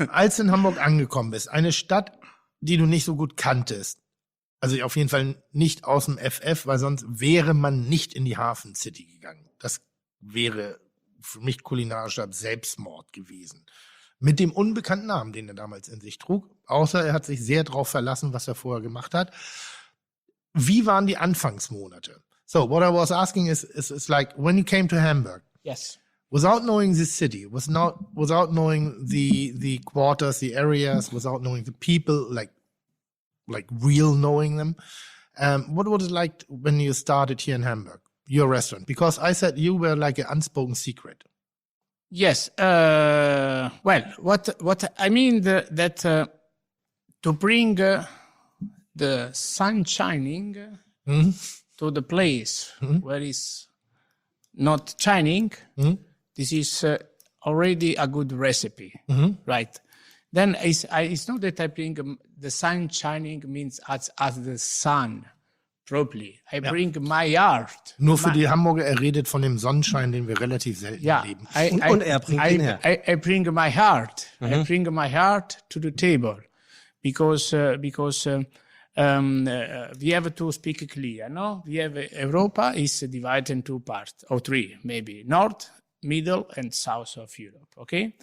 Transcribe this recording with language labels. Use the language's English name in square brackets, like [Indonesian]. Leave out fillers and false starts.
[German] Als du in Hamburg angekommen bist, eine Stadt, die du nicht so gut kanntest, also auf jeden Fall nicht aus dem FF, weil sonst wäre man nicht in die Hafen City gegangen. Das wäre für mich kulinarischer Selbstmord gewesen. Mit dem unbekannten Namen, den er damals in sich trug, außer er hat sich sehr drauf verlassen, was er vorher gemacht hat. Wie waren die Anfangsmonate? [English] So, what I was asking is like, when you came to Hamburg, yes, without knowing the city, without knowing the quarters, the areas, without knowing the people, like real knowing them, what was it like when you started here in Hamburg, your restaurant? Because I said you were like an unspoken secret. Yes. Well, what I mean that to bring the sun shining. Mm-hmm. To the place mm-hmm. where it's not shining, mm-hmm. this is already a good recipe, mm-hmm. right? Then it's not that I bring the sun shining means as the sun, properly. I yeah. bring my art. [German] Nur für die Hamburger, er redet von dem Sonnenschein, den wir relativ selten yeah, erleben. Und er bringt ihn her. [English] I bring my heart. Mm-hmm. I bring my heart to the table, because. We have to speak clear, no? We have Europa is divided in two parts, or three, maybe. North, middle, and south of Europe, okay?